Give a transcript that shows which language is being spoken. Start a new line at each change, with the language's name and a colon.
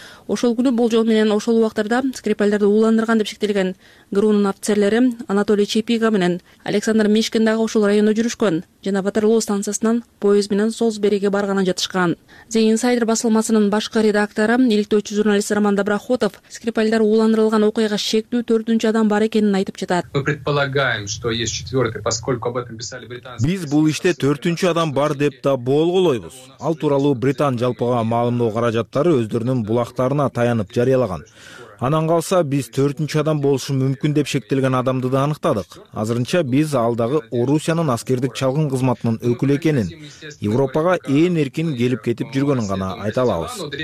Kyrgyz: Ошол күнү болжол менен ошол убактарда Скрипальдарды ууландырган деп шектелген ГРУнун офицерлери Анатолий Чепига менен Александр Мишкин дагы ошол районо жүрүшкөн жана Батарлоо станциясынан поезд менен Солсбериге барганын жатышкан. The Insider басылмасынын башкы редактору, иликтөөчү журналист Роман Доброхотов Скрипальдар ууландырылган окуяга шектүү 4-чү адам бар экенин айтып жатат.
Russian: Мы предполагаем, что есть четвертый, поскольку об этом писали британцы.
Kyrgyz: Биз бул иште 4-чү адам бар деп да болголойбуз. Ал тууралуу Британ жалпыга маалымдоо каражаттары өздөрүнүн булактарына таянып жарыялаган. Анан калса биз 4-чү адам болушу мүмкүн деп шектелген адамды да аныктадык. Азырынча биз алдагы Орусиянын аскердик чалгын кызматынын өкүлү экенин, Европага эң эркин келип кетип жүргөнүн гана айта алабыз.